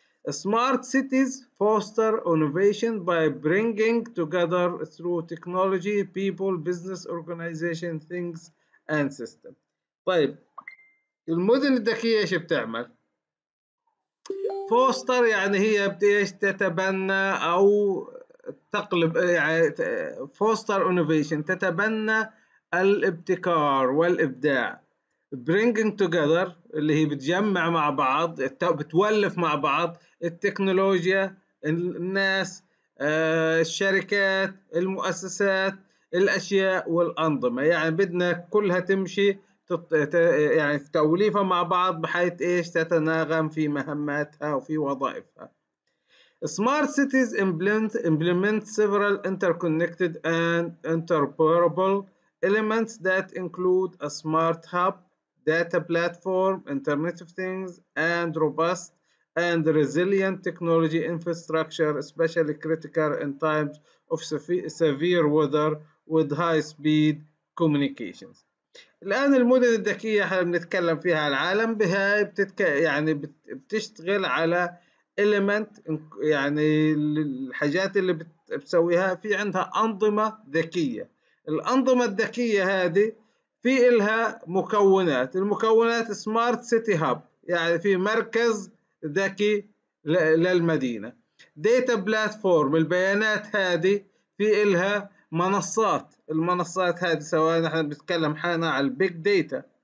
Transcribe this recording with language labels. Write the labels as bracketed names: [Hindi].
[English] Smart cities foster innovation by bringing together through technology, people, business, organization, things and system. [Arabic] طيب المدن الذكية ايش بتعمل؟ فوستر يعني هي بتيش تتبنى او تقلب، يعني فوستر انوفيشن تتبنى الابتكار والابداع. برينجينج توجذر اللي هي بتجمع مع بعض، بتولف مع بعض التكنولوجيا، الناس، الشركات، المؤسسات، الأشياء والأنظمة، يعني بدنا كلها تمشي يعني في توليفة مع بعض بحيث إيش تتناغم في مهماتها وفي وظائفها. [English] Smart cities implement several interconnected and interoperable elements that include a smart hub, data platform, Internet of Things, and robust and resilient technology infrastructure, especially critical in times of severe weather with high speed communications. [Arabic] الآن المدن الذكية احنا بنتكلم فيها العالم بهاي يعني بتشتغل على element، يعني الحاجات اللي بتسويها في عندها أنظمة ذكية. الأنظمة الذكية هذه في إلها مكونات، المكونات Smart City Hub يعني في مركز ذكي للمدينة، Data Platform البيانات هذه في إلها منصات، المنصات هذه سواء نحن بنتكلم حانا على البيج داتا،